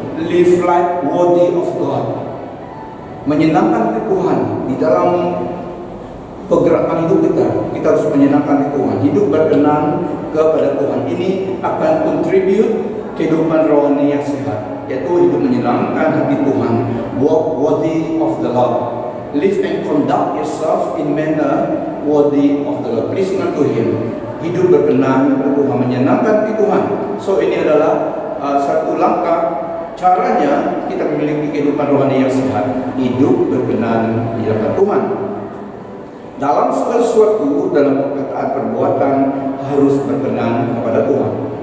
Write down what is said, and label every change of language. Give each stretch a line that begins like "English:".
English: Live life worthy of God.
Indonesian: Menyenangkan hati Tuhan di dalam pergerakan hidup kita. Kita harus menyenangkan hati Tuhan. Hidup berkenan kepada Tuhan. Ini akan contribute kehidupan rohani yang sehat, yaitu hidup menyenangkan hati Tuhan.
English: Walk worthy of the Lord. Live and conduct yourself in manner worthy of the Lord. Pleasing unto Him.
Indonesian: Hidup berkenan kepada Tuhan, menyenangkan hati Tuhan. So ini adalah satu langkah caranya kita memiliki kehidupan rohani yang sehat. Hidup berkenan di hadapan Tuhan. Dalam sesuatu, dalam perkataan, perbuatan, harus berkenan kepada Tuhan.